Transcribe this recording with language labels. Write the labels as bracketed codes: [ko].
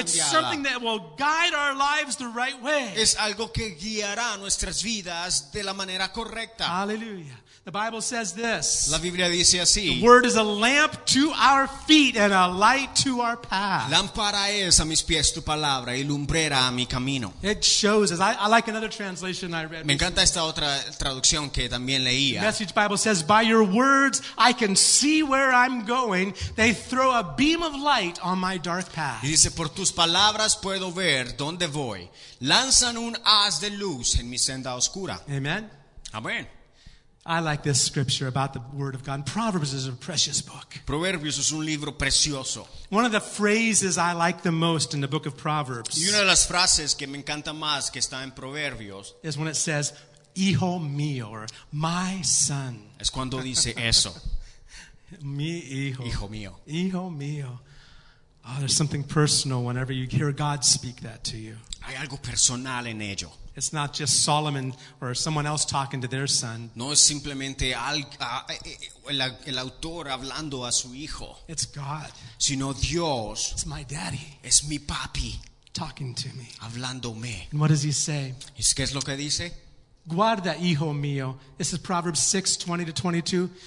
[en] It's something that will guide our lives the right way. [es] Es algo que guiará nuestras vidas de la manera correcta. [en] Hallelujah. The Bible says this. [es] La Biblia dice así. [en] The word is a lamp to our feet and a light to our path. [es] Lámpara es a mis pies tu palabra y lumbrera a mi camino. [en] It shows us. I like another translation I read. [es] Me encanta esta otra traducción que también leía. [en] The Message Bible says, "By your words I can see where I'm going. They throw a beam of light on my dark path." [es] Y dice, "Por tus palabras puedo ver dónde voy. Lanzan un haz de luz en mi senda oscura." [en] Amen. [es] Amén. [en] I like this scripture about the word of God. Proverbs is a precious book. [es] Proverbios es un libro precioso. [en] One of the phrases I like the most in the book of Proverbs. [es] Y una de las frases que me encanta más que está en Proverbios [en] is when it says, [es] "Hijo mío," [en] or "My son." [es] Es cuando dice eso. Mi hijo. Hijo mío. Hijo mío. [en] Oh, there's something personal whenever you hear God speak that to you. [es] Hay algo personal en ello. [en] It's not just Solomon or someone else talking to their son. [es] No es simplemente el autor hablando a su hijo. [en] It's God. [es] Sino Dios. [en] It's my daddy. [es] Es mi papi. [en] Talking to me. [es] Hablándome. [en] And what does he say? [es] ¿Y qué es lo que dice? Guarda, hijo mío. [en] This is Proverbs 6:20-22.